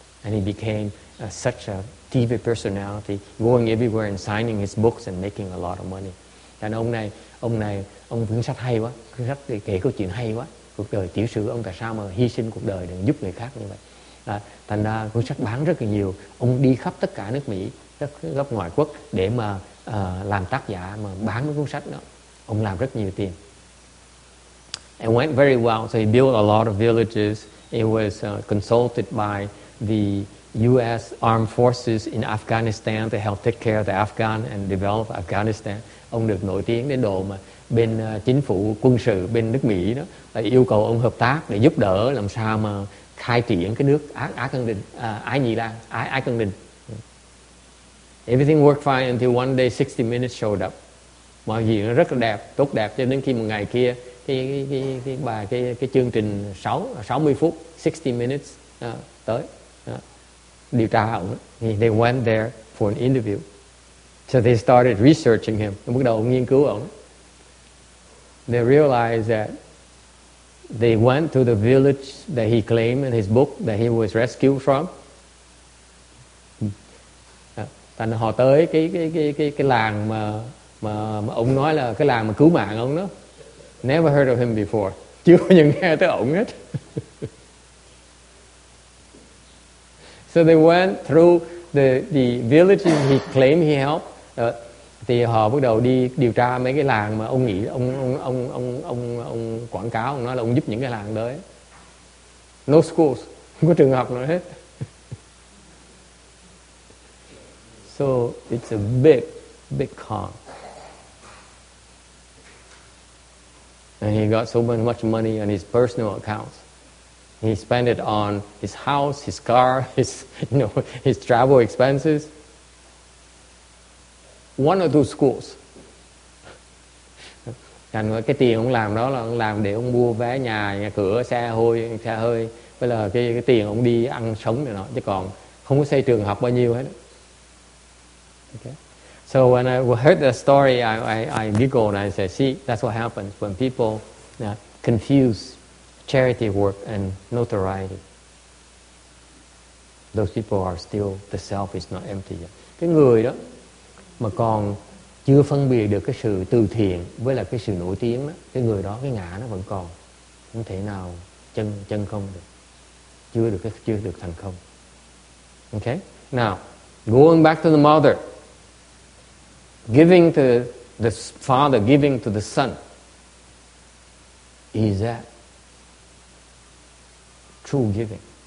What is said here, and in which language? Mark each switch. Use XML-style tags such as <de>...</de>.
<en>And he became such a TV personality, going everywhere and signing his books and making a lot of money.</en> <vi>Thế nên ông này, ông cuốn sách hay quá, cuốn sách kể câu chuyện hay quá, cuộc đời tiểu sử ông tại sao mà hy sinh cuộc đời để giúp người khác như vậy. Thành ra cuốn sách bán rất là nhiều, ông đi khắp tất cả nước Mỹ, các góc ngoại quốc để mà làm tác giả, mà bán cuốn sách đó, ông làm rất nhiều tiền.</vi> <en>It went very well, so he built a lot of villages. It was consulted by the U.S. Armed Forces in Afghanistan to help take care of the Afghan and develop Afghanistan.</en> <vi>Ông được nổi tiếng đến độ mà bên chính phủ quân sự bên nước Mỹ đó là yêu cầu ông hợp tác để giúp đỡ làm sao mà khai triển cái nước Ái Khẳng Định.</vi> <en>Everything worked fine until one day 60 Minutes showed up.</en> <vi>mọi chuyện rất là đẹp, tốt đẹp, cho đến khi một ngày kia cái chương trình 60 phút 60 minutes tới điều tra ổng,</vi> <en>they went there for an interview, so they started researching him,</en> <vi>bắt đầu nghiên cứu ổng.</vi> <en>They realized that they went to the village that he claimed in his book that he was rescued from.</en> <vi>Thành họ tới cái làng mà ông nói là cái làng mà cứu mạng ông đó.</vi> <en>Never heard of him before.</en> <vi>Chưa bao giờ nghe tới ông hết.</vi> <en>So they went through the village he claimed he helped.</en> <vi>Thì họ bắt đầu đi điều tra mấy cái làng mà ông nghĩ ông quảng cáo, ông nói là ông giúp những cái làng đấy.</vi> <en>No schools,</en> <vi>không có trường học nào hết.</vi> <en>So it's a big, big con. And he got so much money on his personal accounts. He spent it on his house, his car, his travel expenses. One or two schools.</en> <vi>Thành ra cái tiền ông làm đó là ông làm để ông mua vé nhà cửa, xe hơi, với là cái tiền ông đi ăn sống này nọ, chứ còn không có xây trường học bao nhiêu hết.</vi> <en>Okay. So when I heard the story, I giggled and I said, see, that's what happens when people confuse charity work and notoriety. Those people are still, the self is not empty yet.</en> <vi>Cái người đó mà còn chưa phân biệt được cái sự từ thiện với là cái sự nổi tiếng đó, cái người đó cái ngã nó vẫn còn, không thể nào chân không được, chưa được thành công.</vi> <en>Okay, now going back to the mother, giving to the father, giving to the son, is that true giving?</en>